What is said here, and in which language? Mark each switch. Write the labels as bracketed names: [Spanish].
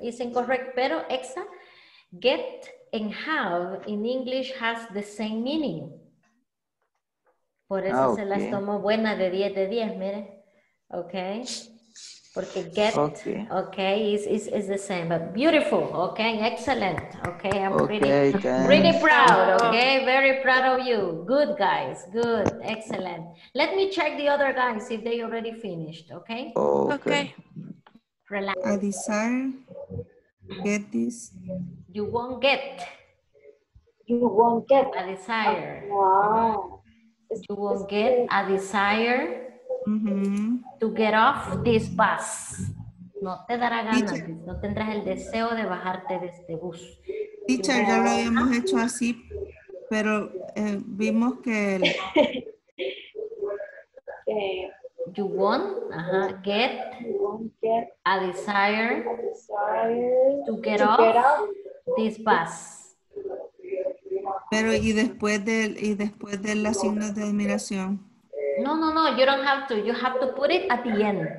[English] It's incorrect, [Spanish] pero [English] Exa, get and have in English has the same meaning. [Spanish] Por eso okay. Se las tomo buena de 10 de 10, mire. Okay. Porque [English] get, okay, is the same, but beautiful, okay, excellent, okay, I'm really proud, okay, very proud of you, good guys, good, excellent. Let me check the other guys if they already finished, okay? Okay. Relax. I desire get this. You won't get. You won't get a desire. Wow. You won't get a desire. Mm-hmm. To get off this bus. [Spanish] No te dará ganas. Teacher, no tendrás el deseo de bajarte de este bus. Teacher, ya lo habíamos hecho así, pero vimos que... El... [English] You won't get a desire to get off this bus. [Spanish] Pero y después del signo de admiración. [English] No, no, no, you don't have to. You have to put it at the end.